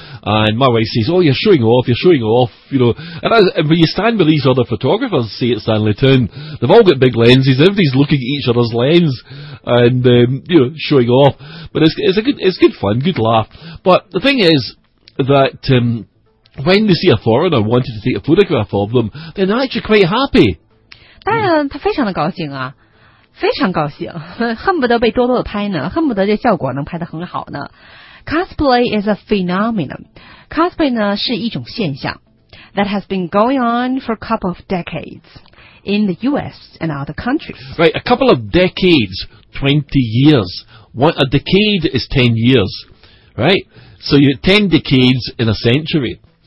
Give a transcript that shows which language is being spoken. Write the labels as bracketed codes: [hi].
[en] And my wife says, oh, you're showing off, you know. And when you stand with these other photographers, say at Stanley Town, they've all got big lenses. Everybody's looking at each other's lens and, showing off. But it's good fun, good laugh. But the thing is that when they see a foreigner wanting to take a photograph of them, they're actually quite happy. [zh] 当然他非常的高兴啊，非常高兴，恨不得被多多的拍呢，恨不得这效果能拍得很好呢。 [en] Cosplay is a phenomenon. Cosplay [zh] 呢是一种现象 [en] that has been going on for a couple of decades in the US and other countries. Right, a couple of decades, 20 years. A decade is 10 years, right? So you're 10 decades in a century.